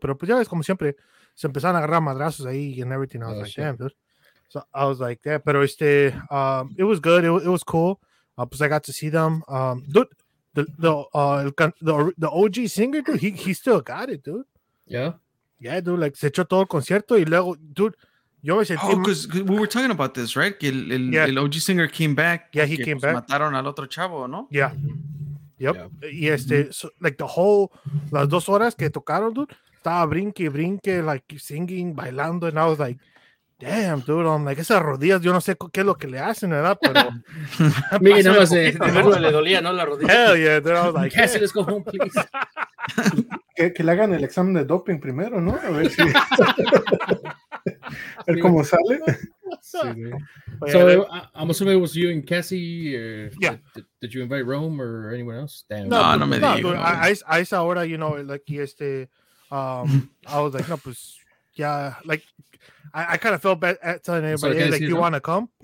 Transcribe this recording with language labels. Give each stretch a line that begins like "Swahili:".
Spanish: Pero pues ya ves, como siempre, se empezaron a agarrar madrazos ahí
English: and everything. I was like, damn, dude. So I was like, yeah, pero it was good. It was cool. Pues I got to see them. Dude, the OG singer, dude, he still got it, dude. Yeah. Yeah, dude.
Spanish: Like se echó todo el concierto y luego, dude. Yo me sentí
English: because we were talking about this, right? El OG singer came back. Yeah, he came back.
Spanish: Mataron al otro chavo, ¿no?
English: Yeah. Yep. Yeah.
Spanish: Y
English: so, like the whole,
Spanish: las dos horas que tocaron, dude, estaba brinque, brinque,
English: like singing,
Spanish: bailando,
English: and I was like, damn, dude, I'm like,
Spanish: esas rodillas, yo no sé qué es lo que le hacen, ¿verdad? Pero. Miguel, nada más, de verlo le dolía, ¿no? La rodilla.
English: Hell yeah, dude, I was like, Cassie, let's go home, please.
Spanish: que le hagan el examen de doping primero, ¿no? A ver si. A ver cómo sale. Sí, güey.
English: So, I'm assuming it was you and Cassie. Or yeah. Did you invite Rome or anyone else?
Spanish: Damn. No, me digo.
English: I saw ahora, you know, like, I was like,
Spanish: no, pues,
English: yeah, like, I kind of felt bad at telling everybody, so like, you want to come?